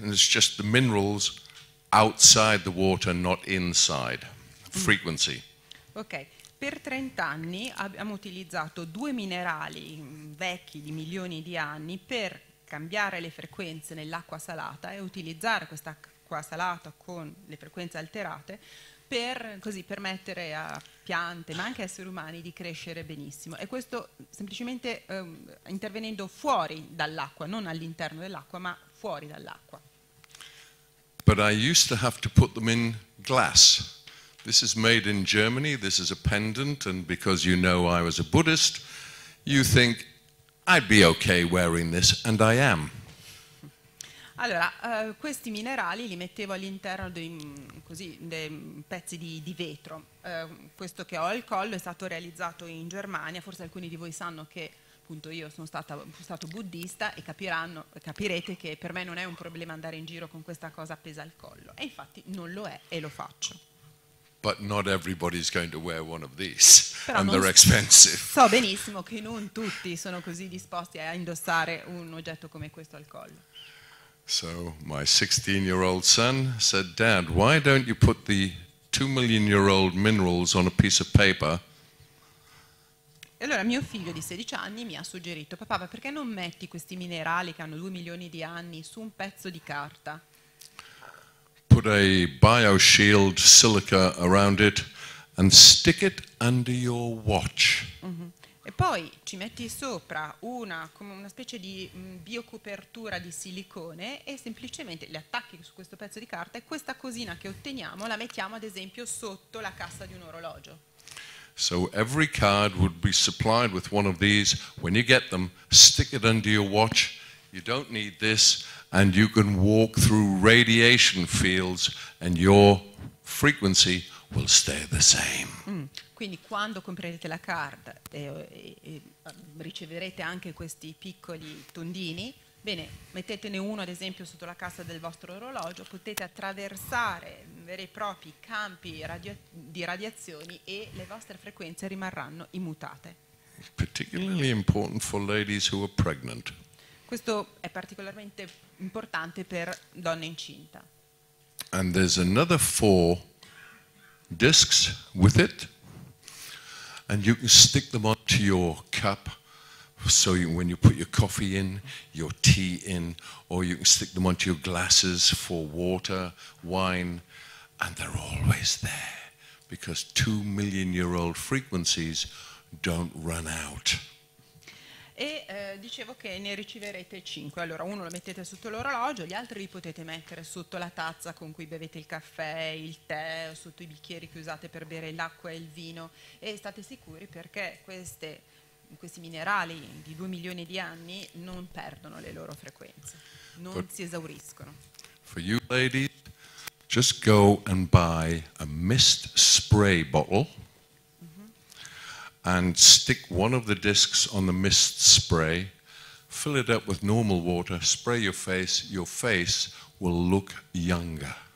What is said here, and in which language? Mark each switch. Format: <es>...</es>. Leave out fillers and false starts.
<en>And it's just the minerals outside the water, not inside. Frequency.</en> <it>Ok, per 30 anni abbiamo utilizzato due minerali vecchi di milioni di anni per cambiare le frequenze nell'acqua salata e utilizzare questa acqua salata con le frequenze alterate per così permettere a piante, ma anche esseri umani, di crescere benissimo. E questo semplicemente intervenendo fuori dall'acqua, non all'interno dell'acqua, ma fuori dall'acqua.</it> <en>But I used to have to put them in glass. This is made in Germany, this is a pendant, and because you know I was a Buddhist, you think I'd be okay wearing this, and I am.</en> <it>Allora, questi minerali li mettevo all'interno di così, dei pezzi di vetro. Questo che ho al collo è stato realizzato in Germania. Forse alcuni di voi sanno che appunto io sono stato buddista e capirete che per me non è un problema andare in giro con questa cosa appesa al collo. E infatti non lo è e lo faccio.</it> <en>But not everybody's going to wear one of these.</en> <it>Però</it> <en>and they're expensive.</en> <it>So benissimo che non tutti sono così disposti a indossare un oggetto come questo al collo.</it> <en>So my 16-year-old son said, Dad, why don't you put the 2 million year old minerals on a piece of paper?</en> <it>E allora mio figlio di 16 anni mi ha suggerito, papà, ma perché non metti questi minerali che hanno 2 milioni di anni su un pezzo di carta?</it> <en>Put a bio-shield silica around it and stick it under your watch.</en> <it>E poi ci metti sopra una specie di biocopertura di silicone e semplicemente le attacchi su questo pezzo di carta e questa cosina che otteniamo la mettiamo ad esempio sotto la cassa di un orologio.</it> <en>So every card would be supplied with one of these. When you get them, stick it under your watch. You don't need this and you can walk through radiation fields and your frequency will stay the same.</en> <it>Quindi quando comprerete la card e riceverete anche questi piccoli tondini, bene, mettetene uno ad esempio sotto la cassa del vostro orologio, potete attraversare veri e propri campi di radiazioni e le vostre frequenze rimarranno immutate.</it> <en>Particularly important for ladies who are pregnant.</en> <it>Questo è particolarmente importante per donne incinta.</it> <en>And there's another four discs with it, and you can stick them onto your cup. So you, when you put your coffee in, your tea in, or you can stick them onto your glasses for water, wine, and they're always there because 2 million-year-old frequencies don't run out.</en> <it>E dicevo che ne riceverete 5. Allora, uno lo mettete sotto l'orologio, gli altri li potete mettere sotto la tazza con cui bevete il caffè, il tè, o sotto i bicchieri che usate per bere l'acqua e il vino. E state sicuri perché questi minerali di 2 milioni di anni non perdono le loro frequenze, non si esauriscono.</it> <en>For you ladies, just go and buy a mist spray bottle and stick one of the discs on the mist spray, fill it up with normal water, spray your face will look younger.</en>